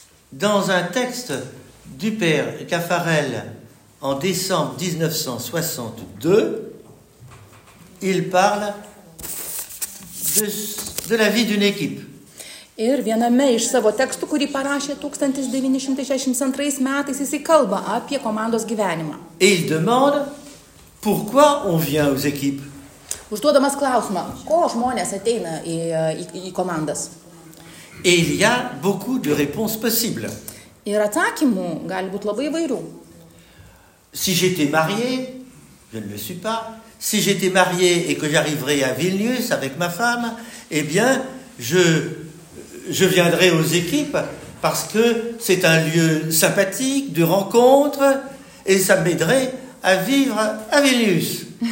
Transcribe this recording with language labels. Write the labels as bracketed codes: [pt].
[fr] Dans un texte du père Caffarel en décembre 1962, il parle de la vie d'une équipe. [lt] Ir viename iš savo tekstų, kurį parašė 1962 metais, jisai kalba apie komandos gyvenimą. [fr] Et il demande pourquoi on vient aux équipes. [lt] Užduodamas klausimą, ko žmonės ateina į komandas. [fr] Et il y a beaucoup de réponses possibles. [lt] Ir atsakymų gali būti labai įvairių. [fr] Si j'étais marié, je ne le suis pas. Si j'étais marié et que j'arriverais à Vilnius avec ma femme, eh bien, je viendrai aux équipes parce que c'est un lieu sympathique de rencontre et ça m'aiderait à vivre à Vilnius.